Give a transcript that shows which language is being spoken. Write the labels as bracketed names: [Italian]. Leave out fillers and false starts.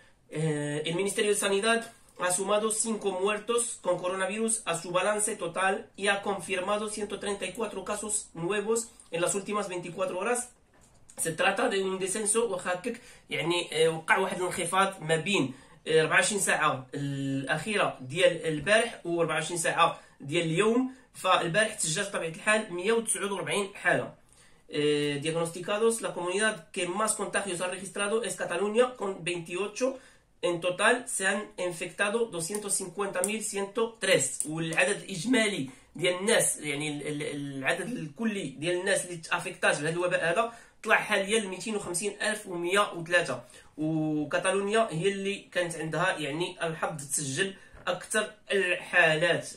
[Spanish] El Ministerio de Sanidad ha sumado 5 muertos con coronavirus a su balance total y ha confirmado 134 casos nuevos en las últimas 24 horas. Se trata de un descenso [Arabic] وحقك يعني وقع واحد الانخفاض ما بين 24 ساعه الاخيره ديال البارح و 24 ساعه ديال اليوم. فالبارح تسجل طبيعه الحال 149 حاله. [Spanish] Diagnosticados, la comunidad que más contagios ha registrado es Cataluña con 28. En total se han infectado 250.103. [Arabic] والعدد الاجمالي ديال الناس يعني العدد الكلي ديال الناس اللي تافكتات بهذا الوباء هذا طلع حاليا 250103. وكاتالونيا هي اللي كانت عندها يعني الحظ تسجل اكثر الحالات.